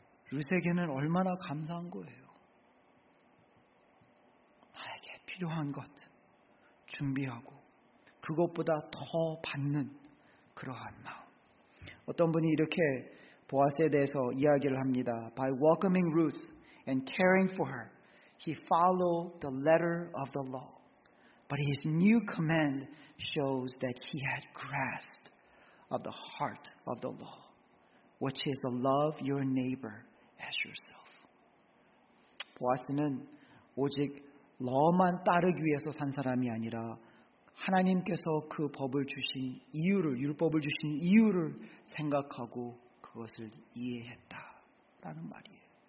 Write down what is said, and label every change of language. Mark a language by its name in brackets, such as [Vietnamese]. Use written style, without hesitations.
[Korean] 룻에게는 얼마나 감사한 거예요. 나에게 필요한 것 준비하고 그것보다 더 받는 그러한 마음. 어떤 분이 이렇게 보아스에 대해서 이야기를 합니다. [English] By welcoming Ruth and caring for her, he followed the letter of the law. But his new command shows that he had grasped of the heart of the law, which is to love your neighbor as yourself. [Korean] 보아스는 오직 law만 따르기 위해서 산 사람이 아니라 하나님께서 그 법을 주신 이유를, 율법을 주신 이유를 생각하고 그것을 이해했다라는 말이에요.